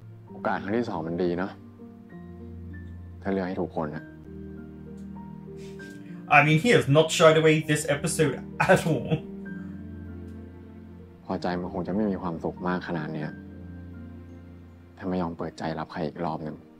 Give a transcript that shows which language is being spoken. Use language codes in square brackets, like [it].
[th] โอกาสครั้งที่สองมันดีเนาะถ้าเลือกให้ถูกคนนะ [en] I mean he has not shied away this episode at all [th] พอใจมันคงจะไม่มีความสุขมากขนาดเนี้ยถ้าไม่ยอมเปิดใจรับใครอีกรอบหนึ่ง